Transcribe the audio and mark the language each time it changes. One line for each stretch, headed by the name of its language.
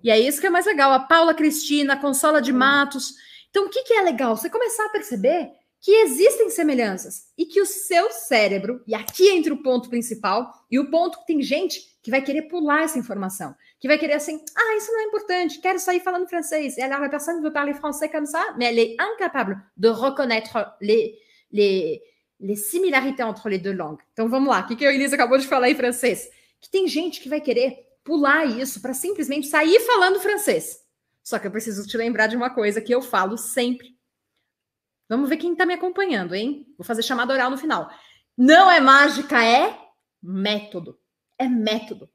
Portuguese: E é isso que é mais legal. A Paula Cristina, Consola de Matos. Então, o que, que é legal? Você começar a perceber que existem semelhanças e que o seu cérebro, e aqui entra o ponto principal, e o ponto que tem gente que vai querer pular essa informação, que vai querer assim, isso não é importante, quero sair falando francês.
French: E alors, la personne veut parler français comme ça, mais elle est incapable de reconnaître les similarités entre les deux langues.
Portuguese: Então, vamos lá. O que, que a Elisa acabou de falar em francês? Que tem gente que vai querer pular isso para simplesmente sair falando francês. Só que eu preciso te lembrar de uma coisa que eu falo sempre. Vamos ver quem está me acompanhando, hein? Vou fazer chamada oral no final. Não é mágica, é método. É método.